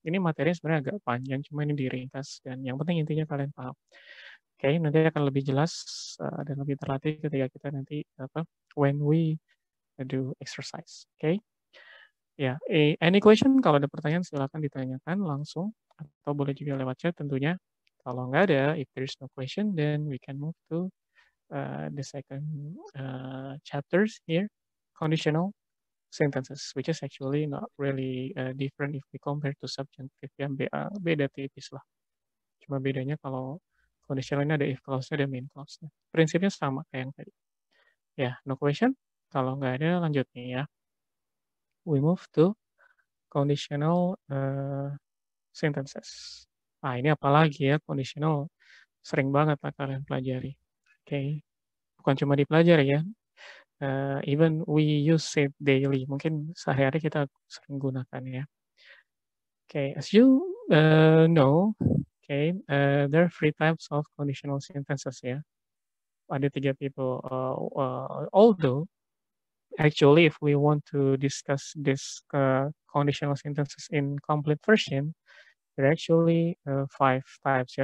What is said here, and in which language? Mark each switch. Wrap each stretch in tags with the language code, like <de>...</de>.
<id>Ini materinya sebenarnya agak panjang, cuma ini diringkas dan yang penting intinya kalian paham. Okay, nanti akan lebih jelas dan lebih terlatih ketika kita nanti apa</id> <en>when we do exercise.</en> <id>Okay. Ya, yeah.</id> <en>Any question?</en> <id>Kalau ada pertanyaan silakan ditanyakan langsung atau boleh juga lewat chat tentunya. Kalau nggak ada,</id> <en>if there is no question, then we can move to the second chapters here, conditional sentences, which is actually not really different if we compare to subjunctive</en> <id>yang beda tipis lah. Cuma bedanya kalau conditional ini ada if clause-nya dan main clause-nya. Prinsipnya sama kayak yang tadi. Ya, yeah,</id> <en>no question?</en> <id>Kalau nggak ada, lanjut nih ya.</id> <en>We move to conditional sentences.</en> <id>Ah, ini apalagi ya, conditional sering banget lah kalian pelajari. Okay. Bukan cuma dipelajari ya.</id> <en>Even we use it daily.</en> <id>Mungkin sehari-hari kita sering gunakan ya. Okay.</id> <en>As you know, okay, there are three types of conditional sentences ya.</en> <id>Ada tiga tipe.</id> <en>Although, actually, if we want to discuss this conditional sentences in complete version, there are actually five types ya.</en>